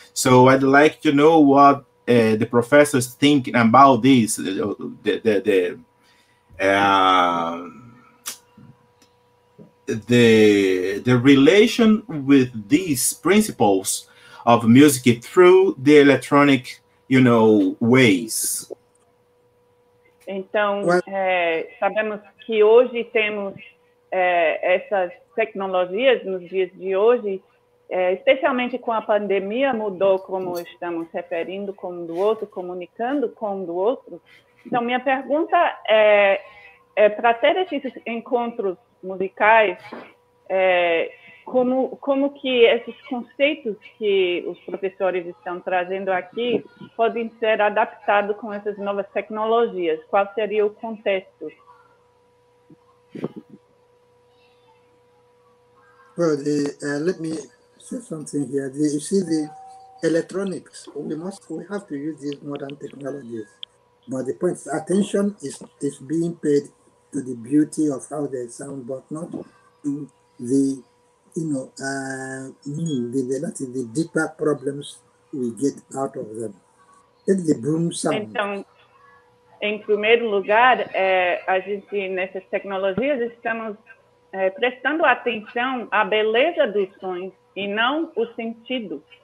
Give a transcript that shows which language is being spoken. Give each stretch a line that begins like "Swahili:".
English: So I'd like to know what the professors think about this, the relation with these principles of music through the electronic, you know, ways.
Portuguese: Então, sabemos que hoje temos essas tecnologias nos dias de hoje, especialmente com a pandemia, mudou como estamos referindo com um do outro, comunicando com um do outro. Então, minha pergunta é para ter esses encontros musicais, como que esses conceitos que os professores estão trazendo aqui podem ser adaptados com essas novas tecnologias? Qual seria o contexto?
English: Well, let me say something here. You see, the electronics, we have to use these modern technologies. But the point is, attention is being paid to the beauty of how they sound, but not to the, you know, the deeper problems we get out of them. It's the boom sound.
Portuguese: Então, em primeiro lugar, a gente, nessas tecnologias, estamos prestando atenção à beleza dos sons e não o sentido.